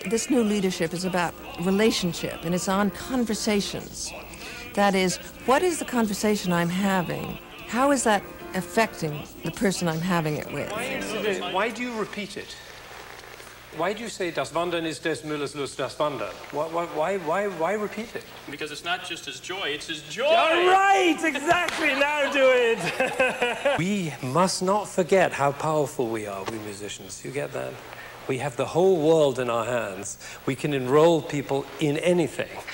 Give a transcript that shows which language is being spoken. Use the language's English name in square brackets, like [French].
[English] This new leadership is about relationship, and it's on conversations. That is, what is the conversation I'm having? How is that affecting the person I'm having it with? Why do you repeat it? Why do you say [German] das Wandern ist des Müllers Lust das Wandern? [English] Why repeat it? Because it's not just his joy, it's his joy! All right! Exactly! Now do it! We must not forget how powerful we are, we musicians. You get that? We have the whole world in our hands. We can enroll people in anything.